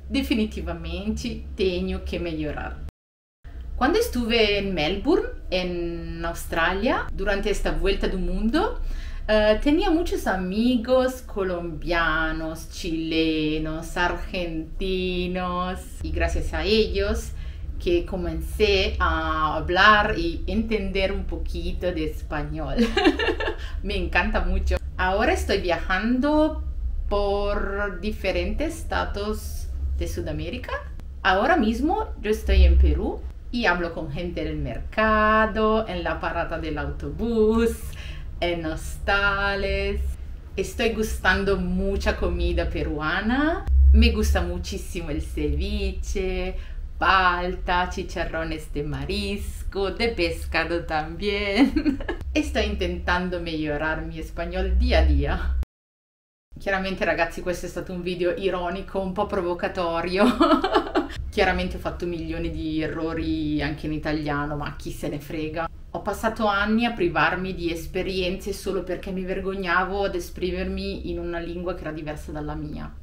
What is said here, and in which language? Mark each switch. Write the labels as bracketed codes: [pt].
[pt] Definitivamente tenho que melhorar. Quando estive em Melbourne, em Austrália, durante esta volta do mundo, [es] Tenía muchos amigos colombianos, chilenos, argentinos, y gracias a ellos que comencé a hablar y entender un poquito de español. Me encanta mucho. Ahora estoy viajando por diferentes estados de Sudamérica. Ahora mismo yo estoy en Perú y hablo con gente del mercado, en la parada del autobús, en hostales. Estoy gustando mucha comida peruana. Me gusta muchísimo el ceviche, palta, chicharrones de marisco, de pescado también. Estoy intentando migliorar mi español día a día. [it] Chiaramente, ragazzi, questo è stato un video ironico, un po' provocatorio. Chiaramente ho fatto milioni di errori anche in italiano, ma chi se ne frega. Ho passato anni a privarmi di esperienze solo perché mi vergognavo ad esprimermi in una lingua che era diversa dalla mia.